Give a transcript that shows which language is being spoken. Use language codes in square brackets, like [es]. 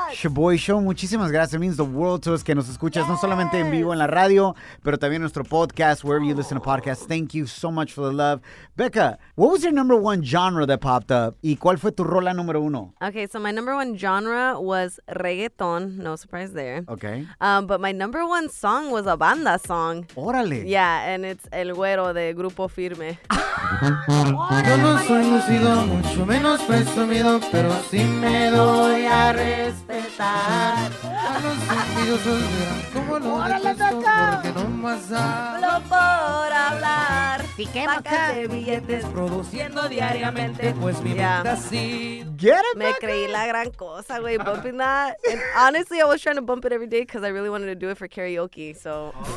[es] Shaboy Show, muchísimas gracias. [en] It means the world to us [es] que nos escuchas, no solamente en vivo en la radio, pero también nuestro podcast, [en] wherever you listen to podcasts. Thank you so much for the love. Becca, what was your number one genre that popped up? [es] ¿Y cuál fue tu rola número uno? [en] Okay, so my number one genre was reggaeton. No surprise there. Okay. But my number one song was a banda song. [es] Órale. [en] Yeah, and it's El Güero de Grupo Firme. [es] Yo no soy lucido, mucho menos presumido, pero sí me doy a respetar. Los envidiosos verán cómo lo detesto, porque no más hablo por hablar. Piquemos acá de billetes produciendo diariamente, pues mi mente así. [en] Get it, [es] me creí la gran cosa, güey, [en] bumping that. And honestly, I was trying to bump it every day because I really wanted to do it for karaoke, so...